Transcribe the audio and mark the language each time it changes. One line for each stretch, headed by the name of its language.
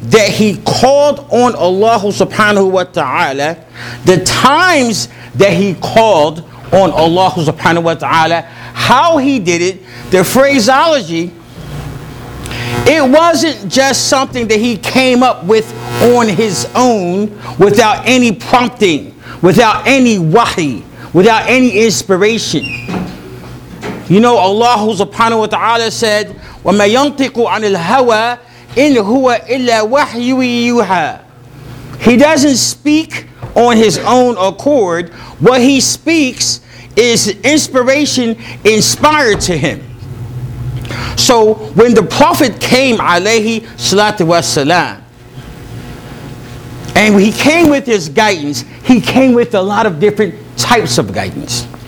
English: that he called on Allah subhanahu wa ta'ala, the times that he called on Allah subhanahu wa ta'ala, how he did it, the phraseology, it wasn't just something that he came up with on his own without any prompting, without any wahi, without any inspiration. You know, Allah subhanahu wa ta'ala said,
Arabic: وَمَا يَنْطِقُ عَنِ الْهَوَىٰ إِنْ هُوَ إِلَّا وَحْيُّ يُوحَىٰ.
English: He doesn't speak on his own accord. What he speaks is inspiration inspired to him. So when the Prophet came, alayhi salatu wasalam, and he came with his guidance, he came with a lot of different types of guidance.